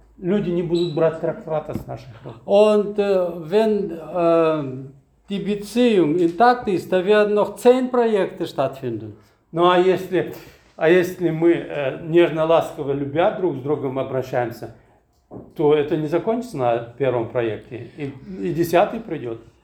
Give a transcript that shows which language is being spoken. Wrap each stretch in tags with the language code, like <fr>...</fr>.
<ru>Люди не будут брать трактата с наших.</ru> <de>Und wenn die Beziehung intakt ist, dann werden noch 10 Projekte stattfinden.</de> <ru>Ну а если, мы нежно-ласково любя друг с другом обращаемся, то это не закончится на первом проекте, и десятый придет.</ru>